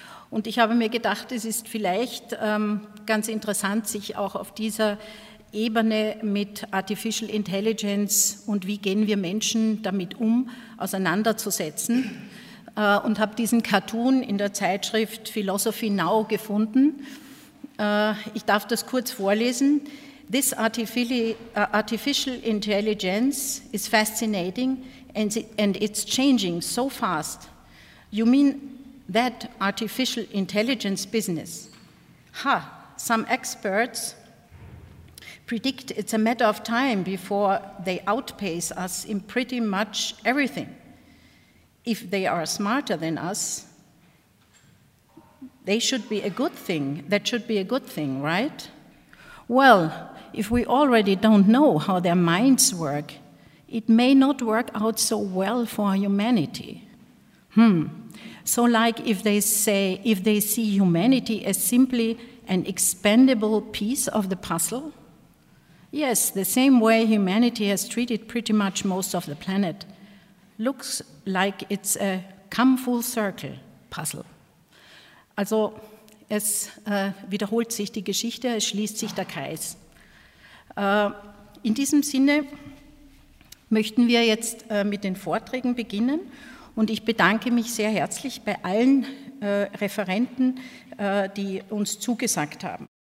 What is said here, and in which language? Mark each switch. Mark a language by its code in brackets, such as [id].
[de] Und ich habe mir gedacht, es ist vielleicht ganz interessant, sich auch auf dieser Ebene mit Artificial Intelligence und wie gehen wir Menschen damit um, auseinanderzusetzen. Und habe diesen Cartoon in der Zeitschrift Philosophy Now gefunden. Ich darf das kurz vorlesen. [en] This artificial intelligence is fascinating and it's changing so fast. You mean that artificial intelligence business? Ha, some experts predict it's a matter of time before they outpace us in pretty much everything. If they are smarter than us, they should be a good thing. That should be a good thing, right? Well, if we already don't know how their minds work, it may not work out so well for humanity. So like if they see humanity as simply an expendable piece of the puzzle? Yes, the same way humanity has treated pretty much most of the planet. Looks like it's a come full circle puzzle. [de] Also, es wiederholt sich die Geschichte, es schließt sich der Kreis. In diesem Sinne möchten wir jetzt mit den Vorträgen beginnen. Und ich bedanke mich sehr herzlich bei allen Referenten, die uns zugesagt haben.